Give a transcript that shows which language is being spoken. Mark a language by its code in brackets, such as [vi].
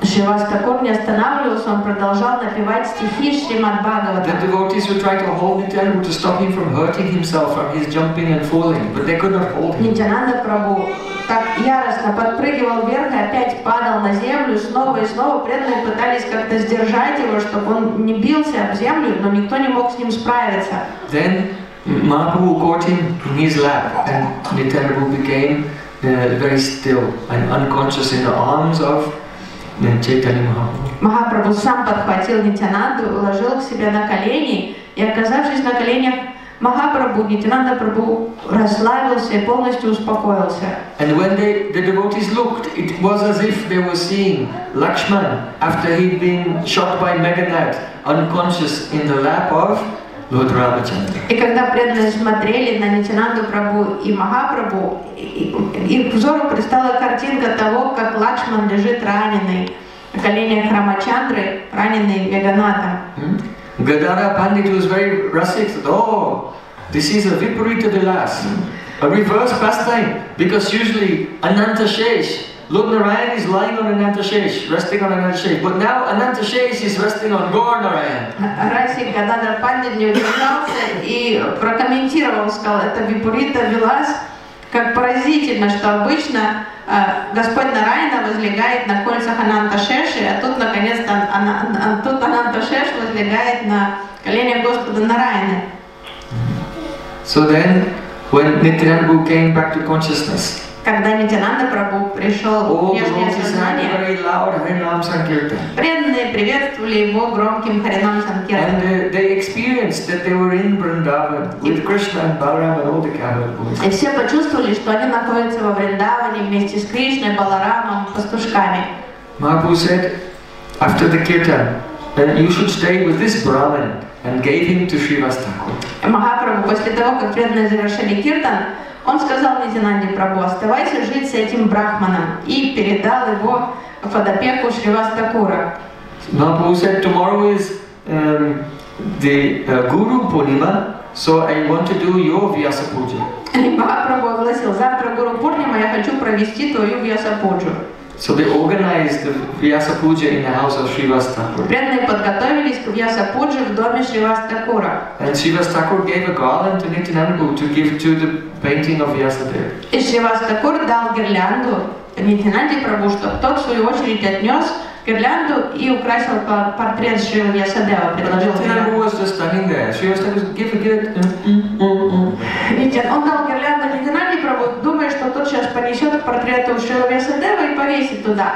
[ru] Shrivas Thakur не останавливался, он продолжал напевать стихи Шримад Бхагаватам. [en] The devotees would try to hold Nityananda to stop him from hurting himself from his jumping and falling, but they could not hold him. [ru] Нитянанда Прабху так яростно подпрыгивал вверх и опять падал на землю, снова и снова преданные пытались как-то сдержать его, чтобы он не бился об землю, но никто не мог с ним справиться. [en] Then Mahaprabhu caught him in his lap, and Nityananda became very still and unconscious in the arms of Chaitanya Mahaprabhu. [ru] Mahaprabhu сам подхватил Нитянанду, уложил к себе на колени, и оказавшись на коленях Махапрабху, Нитянанда Прабху расслабился и полностью успокоился. [en] And when the devotees looked, it was as if they were seeing Lakshman after he'd been shot by Meghanath, unconscious in the lap of Lord Ramachandra. [ru] И когда преданные смотрели на Нитянанду Прабху и Махапрабху, их взору предстала картинка того, как Лакшман лежит раненый на коленях Рамачандры, раненый Меганатом. [en] Gadara Pandit was very rustic, said, oh, this is a Viparita Vilas, a reverse pastime, because usually Anantashesh, Lord Narayan is lying on Anantashesh, resting on Anantashesh, but now Anantashesh is resting on Gaur Narayan. [ru] Rasik Gadara Pandit не удержался и прокомментировал, сказал, это Viparita Vilas, как поразительно, что обычно Господь Нараяна возлегает на кольцах Ананташеши, а тут наконец-то тут Ананташеш возлегает на коленях Господа Нараяны. [en] So then, when Nityananda came back to consciousness, [ru] когда Нитянанда Прабху пришел в нежное сознание, преданные приветствовали его громким Харинам Санкиртан. [en] And they experienced that they were in Vrindavan with Krishna and Balaram and all the cattle. [ru] И все почувствовали, что они находятся во Вриндаване вместе с Кришной, Баларамом, пастушками. [en] Mahaprabhu said, after the kirtan, that you should stay with this Brahmin and gave him to Shrivas Thakur. [ru] Mahaprabhu, после того, как преданные завершили киртан, он сказал Нитянанде Прабху, оставайся жить с этим брахманом, и передал его в подопеку Шривас Такура. [en] Mahaprabhu said, tomorrow is Guru Purnima, so I want to do your Vyasa Puja. [ru] Mahaprabhu огласил, завтра Гуру Пурнима, я хочу провести твою Вьяса Пуджу. [en] So they organized the Vyasa Puja in the house of Shrivas Thakur. [ru] Преданные подготовились к Vyasa Puja в доме Shrivas Thakura. [en] And Shrivas Thakur gave a garland to Nityananda to give to the painting of Vyasadeva. [ru] И Shrivas Thakur дал гирлянду Нитянанде Прабху, чтоб тот в свою очередь отнес гирлянду и украсил портрет Шри Вьясадева. [en] Nityananda was just standing there. Shrivas Thakur said, give a gift. [ru] Он дал гирлянду Нитянанде Прабху, думая, что тот сейчас понесет портрет Шри Вьясадева и повесит туда.